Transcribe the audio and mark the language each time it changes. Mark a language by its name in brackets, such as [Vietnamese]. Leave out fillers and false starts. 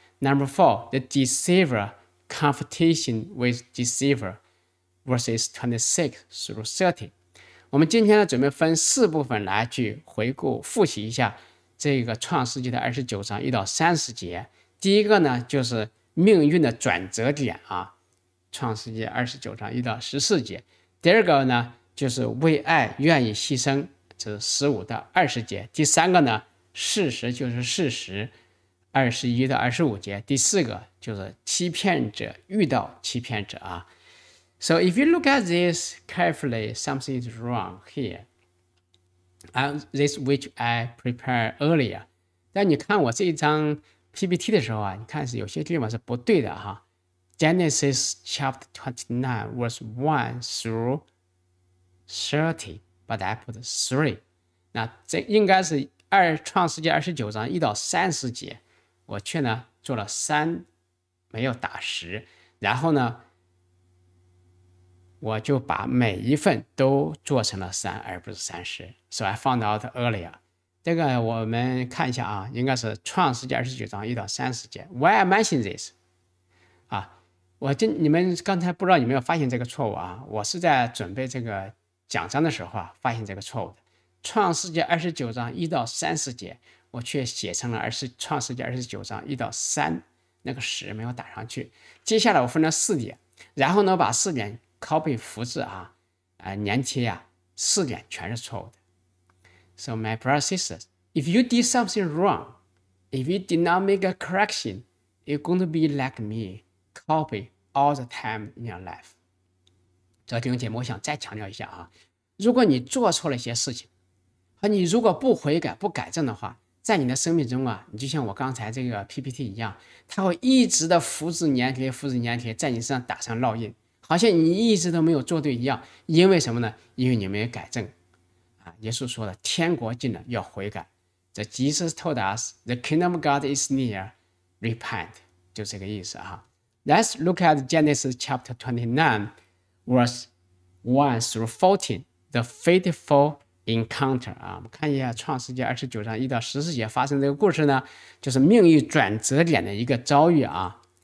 [English] Number 4, the deceiver, confrontation with deceiver, verses 26 through 30. [Chinese] 我们今天呢准备分四部分来去回顾复习一下这个创世纪的29章1到30节。第一个呢就是命运的转折点啊，创世纪29章1到14节。第二个呢就是为爱愿意牺牲，这是15到20节。第三个呢事实就是事实，21到25节。第四个就是欺骗者遇到欺骗者啊。 [English] So if you look at this carefully, something is wrong here. And this which I prepared earlier. [Chinese] 但你看我这一张 PPT 的时候啊，你看是有些地方是不对的哈。 [English] Genesis chapter 29 verse 1 through 30, but I put 3. [Chinese] 那这应该是二创世纪二十九章一到三十节，我却呢做了三，没有打十，然后呢。我就把每一份都做成了三而不是三十。 [English] So I found out earlier. [Chinese] 这个我们看一下啊，应该是创世纪二十九章一到三十节。 [English] Why I mention this? [Chinese] 啊，我这你们刚才不知道有没有发现这个错误啊？我是在准备这个讲章的时候啊，发现这个错误的。创世纪二十九章一到三十节，我却写成了创世纪二十九章一到三，那个十没有打上去。接下来我分了四点，然后呢把四点copy 复制啊，粘贴啊，四点全是错误的。 [English] So my brother sisters, if you did something wrong, if you did not make a correction, you're going to be like me, copy all the time in your life. [Chinese] 这弟兄姐妹，我想再强调一下啊，如果你做错了一些事情，和你如果不悔改、不改正的话，在你的生命中啊，你就像我刚才这个 PPT 一样，它会一直的复制粘贴、复制粘贴，在你身上打上烙印。好像你一直都没有做对一样，因为什么呢？因为你没有改正。耶稣说的，天国近了要悔改。 [English] The Jesus told us, the kingdom of God is near, repent. [Chinese] 就这个意思啊。 [English] Let's look at Genesis chapter 29, verse 1 through 14, the fateful encounter. [Chinese] 啊，我们看一下创世纪二十九章一到十四节发生这个故事呢，就是命运转折点的一个遭遇啊。